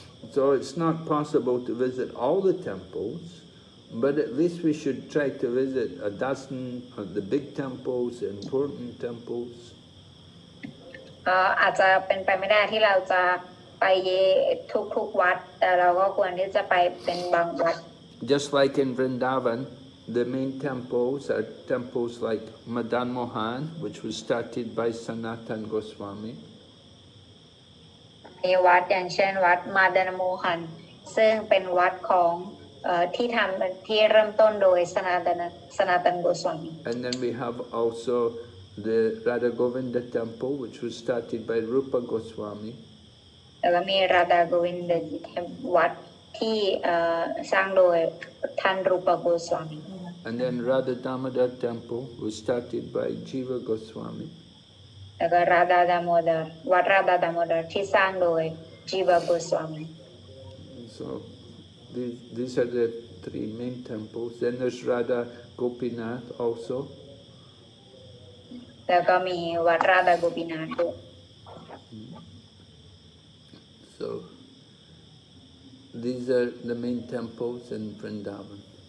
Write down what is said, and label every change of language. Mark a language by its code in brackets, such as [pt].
[en] So it's not possible to visit all the temples. But at least we should try to visit a dozen of the big temples, important temples. [th] อาจจะเป็นไปไม่ได้ที่เราจะไปทุกวัดแต่เราก็ควรที่จะไปเป็นบางวัด [en] Just like in Vrindavan, the main temples are temples like Madan Mohan, which was started by Sanatan Goswami. [th] มีวัดอย่างเช่นวัด Madan Mohan ซึ่งเป็นวัดของที่เริ่มต้นโดย Sanatan Goswami. [en] And then we have also the Radha Govinda temple, which was started by Rupa Goswami. [th] แล้วก็มีราดาโกวินดาวัดที่สร้างโดยท่านรูปโกสวามี [en] And then Radha Damoda temple was started by Jiva Goswami. [th] แล้วก็ราดาดามอดาวัดราดาดามอดาที่สร้างโดย Jiva Goswami. [en] So these are the three main temples. Then there's Radha Gopinath also. [th] แล้วก็มีวัดราดาโกปินาถ [en] So these are the main temples in Vrindavan.